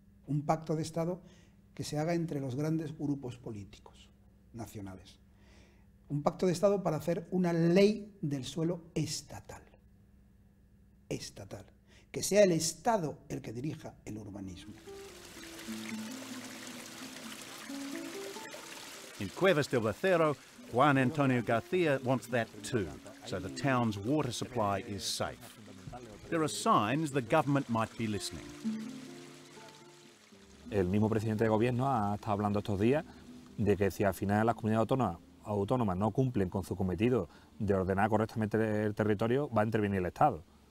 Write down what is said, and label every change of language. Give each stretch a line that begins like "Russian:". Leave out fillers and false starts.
Spanish: Un pacto de Estado que se haga entre los grandes grupos políticos nacionales. Un pacto de Estado para hacer una ley del suelo estatal. Estatal. Que sea el Estado el que dirija el urbanismo.
English: En Cuevas del Becerro, Juan Antonio García wants that too, so the town's water supply is safe. There are signs the government might be listening.
Spanish: El mismo presidente de gobierno ha estado hablando estos días de que si al final las comunidades autónomas no cumplen con su cometido de ordenar correctamente el territorio, va a intervenir el Estado.